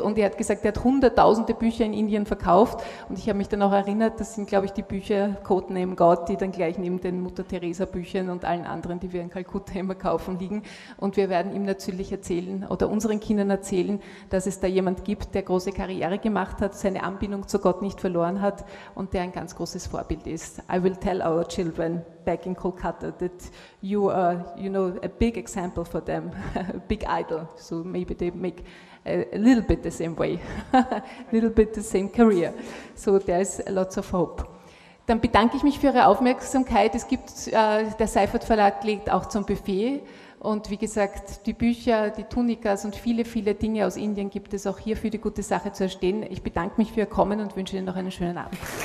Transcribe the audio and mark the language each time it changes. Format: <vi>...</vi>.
<de>Und er hat gesagt, er hat hunderttausende Bücher in Indien verkauft. Und ich habe mich dann auch erinnert, das sind, glaube ich, die Bücher Codename Gott, die dann gleich neben den Mutter-Theresa-Büchern und allen anderen, die wir in Kalkutta immer kaufen, liegen. Und wir werden ihm natürlich erzählen oder unseren Kindern erzählen, dass es da jemand gibt, der große Karriere gemacht hat, seine Anbindung zu Gott nicht verloren hat und der ein ganz großes Vorbild ist.</de> <en>I will tell our children back in Kolkata that you are, you know, a big example for them, a big idol. So maybe they make a little bit the same way, a little bit the same career. So there is lots of hope.</en> <de>Dann bedanke ich mich für Ihre Aufmerksamkeit. Es gibt, der Seifert-Verlag legt auch zum Buffet. Und wie gesagt, die Bücher, die Tunikas und viele, viele Dinge aus Indien gibt es auch hier für die gute Sache zu erstehen. Ich bedanke mich für Ihr Kommen und wünsche Ihnen noch einen schönen Abend.</de>